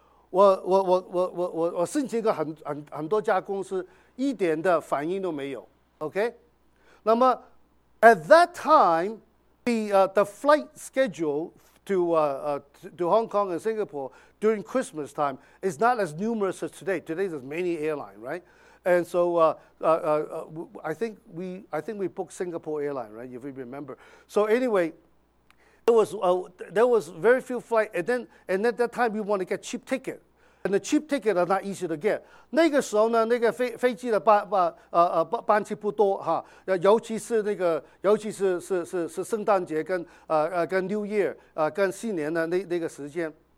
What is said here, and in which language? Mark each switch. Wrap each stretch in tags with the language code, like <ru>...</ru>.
<zh>我申请过很多家公司，一点的反应都没有.</zh> <en>Okay,</en> <zh>那么</zh> <en>at that time. The flight schedule to Hong Kong and Singapore during Christmas time is not as numerous as today. Today there's many airline, right? And so I think we booked Singapore Airline, right? If we remember. So anyway, there was very few flights. And at that time, we want to get cheap ticket, and the cheap ticket are not easy to get.</en> <zh>那个时候呢，那个飞机的班次不多哈，尤其是圣诞节跟 New Year 跟新年的那个时间。</zh>